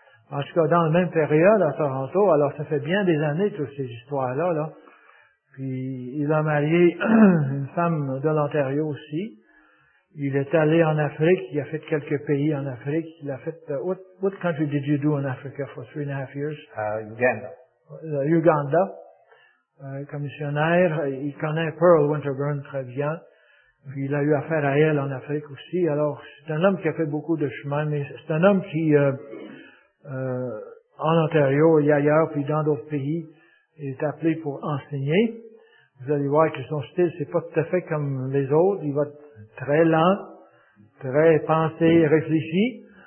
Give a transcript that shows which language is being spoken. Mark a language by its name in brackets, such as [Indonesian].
[French] En tout cas, dans la même période, à Toronto, alors ça fait bien des années, toutes ces histoires-là, là. Puis, il a marié une femme de l'Ontario aussi. Il est allé en Afrique. Il a fait quelques pays en Afrique. Il a fait... [English] What country did you do in Africa for 3.5 years? Uganda. [French] Uganda. Commissionnaire. Il connaît Pearl Winterburn très bien. Puis, il a eu affaire à elle en Afrique aussi. Alors, c'est un homme qui a fait beaucoup de chemin. Mais c'est un homme qui, en Ontario et ailleurs, puis dans d'autres pays... Il est appelé pour enseigner. Vous allez voir que son style, c'est pas tout à fait comme les autres. Il va être très lent, très pensé, réfléchi.